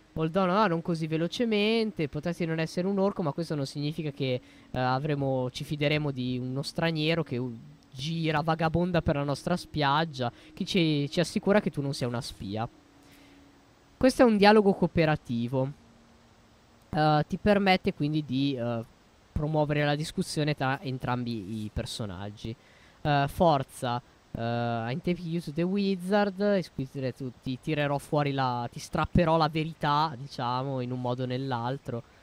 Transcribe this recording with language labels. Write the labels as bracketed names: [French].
[English] Hold on, [Italian] no, non così velocemente. Potresti non essere un orco, ma questo non significa che ci fideremo di uno straniero che gira vagabonda per la nostra spiaggia, che ci assicura che tu non sia una spia. Questo è un dialogo cooperativo. Ti permette quindi di promuovere la discussione tra entrambi i personaggi. Forza. [English] I'm taking you to the wizard. [Italian] Scusate, ti tirerò fuori la... ti strapperò la verità, diciamo, in un modo o nell'altro.